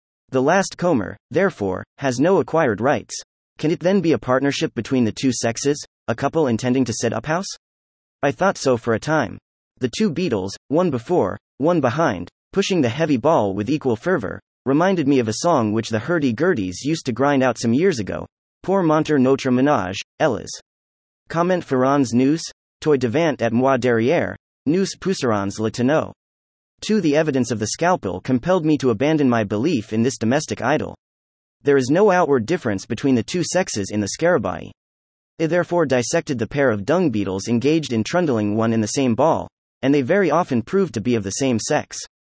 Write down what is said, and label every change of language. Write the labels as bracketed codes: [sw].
[en] The last comer, therefore, has no acquired rights. Can it then be a partnership between the two sexes, a couple intending to set up house? I thought so for a time. The two beetles, one before, one behind, pushing the heavy ball with equal fervor, reminded me of a song which the hurdy-gurdies used to grind out some years ago, [fr] Pour monter notre ménage, elles. Comment ferons nous, toi devant et moi derrière, nous pousserons le tonneau. [en] Two, the evidence of the scalpel compelled me to abandon my belief in this domestic idol. There is no outward difference between the two sexes in the scarabaei. I therefore dissected the pair of dung beetles engaged in trundling one in the same ball, and they very often proved to be of the same sex.